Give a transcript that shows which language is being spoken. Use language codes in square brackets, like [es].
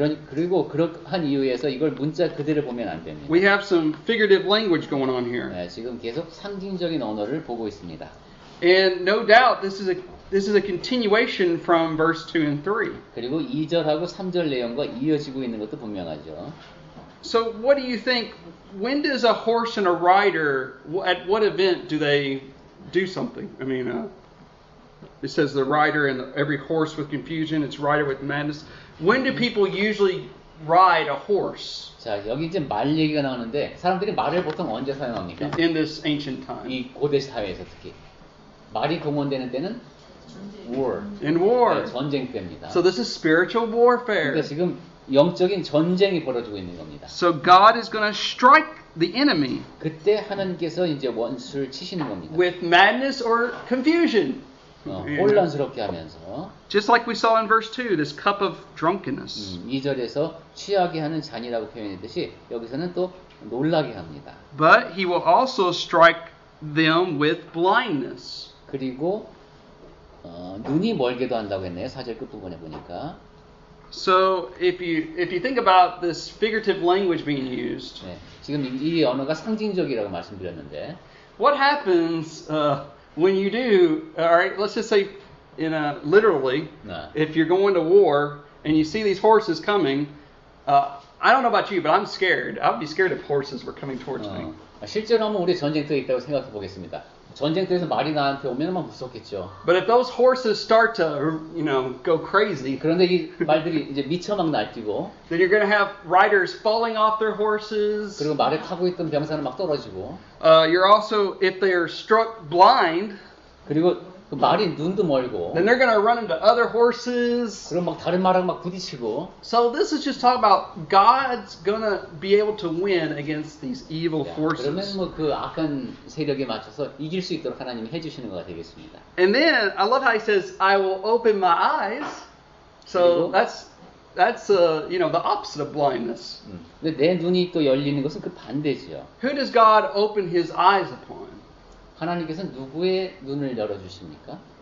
[ko] 그리고 그러한 이유에서 이걸 문자 그대로 보면 안 됩니다. [en] We have some figurative language going on here. [ko] 네, 지금 계속 상징적인 언어를 보고 있습니다. [en] And no doubt this is a continuation from verse 2 and 3. [ko] 그리고 2절하고 3절 내용과 이어지고 있는 것도 분명하죠. [en] So what do you think? When does a horse and a rider, at what event do they do something? I mean, it says the rider and every horse with confusion, its rider with madness. When do people usually ride a horse? [ko] 자, 여기 이제 말 얘기가 나오는데 사람들이 말을 보통 언제 사용합니까? [en] In this ancient time. [ko] 이 고대 사회에서 특히 말이 동원되는 때는 [en] war. In war. [ko] 네, 전쟁 때입니다. [en] So this is spiritual warfare. [ko] 그러니까 지금 영적인 전쟁이 벌어지고 있는 겁니다. [en] So God is going to strike the enemy. [ko] 그때 하나님께서 이제 원수를 치시는 겁니다. [en] With madness or confusion. [ko] 혼란스럽게 하면서. [en] Just like we saw in verse 2, this cup of drunkenness. [ko] 2절에서 취하게 하는 잔이라고 표현했듯이 여기서는 또 놀라게 합니다. [en] But he will also strike them with blindness. [ko] 그리고 눈이 멀게도 한다고 했네요. 4절 끝부분에 보니까. [en] So if you think about this figurative language being used. [ko] 네, 지금 이 언어가 상징적이라고 말씀드렸는데. [en] What happens when you do, all right, let's just say in a literally, [ko] 네. [en] If you're going to war and you see these horses coming, I don't know about you, but I'm scared. I'd be scared if horses were coming towards me. [ko] 실제로 한번 우리 전쟁터에 있다고 생각해 보겠습니다. 전쟁터에서 말이 나한테 오면 아마 무섭겠죠. [en] But if those horses start to, you know, go crazy. [ko] 그런데 이 말들이 이제 미쳐 막 날뛰고. [en] Then you're going to have riders falling off their horses. [ko] 그리고 말을 타고 있던 병사는 막 떨어지고. [en] You're also, if they are struck blind. [ko] 그리고 그 말이 눈도 멀고. [en] Then they're going to run into other horses. [ko] 그리고 막 다른 말하고 막 부딪히고. [en] So this is just talking about God's going to be able to win against these evil forces. [ko] 그러면 뭐 그 악한 세력에 맞춰서 이길 수 있도록 하나님이 해주시는 거가 되겠습니다. [en] And then I love how he says, I will open my eyes. So that's the opposite of blindness. [ko] 근데 내 눈이 또 열리는 것은 그 반대지요. [en] Who does God open his eyes upon? [ko] 하나님께서는 누구의 눈을 열어주십니까?